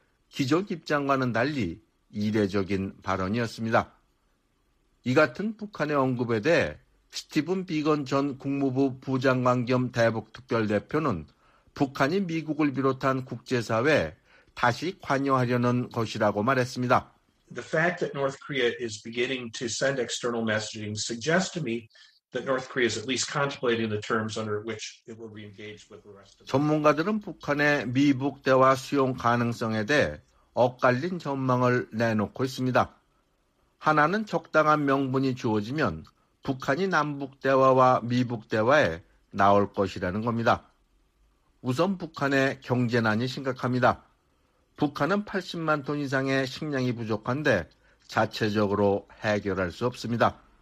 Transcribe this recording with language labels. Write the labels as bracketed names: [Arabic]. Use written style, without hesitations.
[Korean] 기존 입장과는 달리 이례적인 발언이었습니다. 이 같은 북한의 언급에 대해 스티븐 비건 전 국무부 부장관 겸 대북특별대표는 북한이 미국을 비롯한 국제사회에 다시 관여하려는 것이라고 말했습니다. [English] The fact that North Korea is beginning to send external messaging suggests to me that North Korea is at least contemplating the terms under which it will re-engage with the rest of. [Korean] 전문가들은 북한의 미북 대화 수용 가능성에 대해 엇갈린 전망을 내놓고 있습니다. 하나는 적당한 명분이 주어지면 북한이 남북 대화와 미북 대화에 나올 것이라는 겁니다. 우선 북한의 경제난이 심각합니다. 북한은 80만 톤 이상의 식량이 부족한데 자체적으로 해결할 수 없습니다.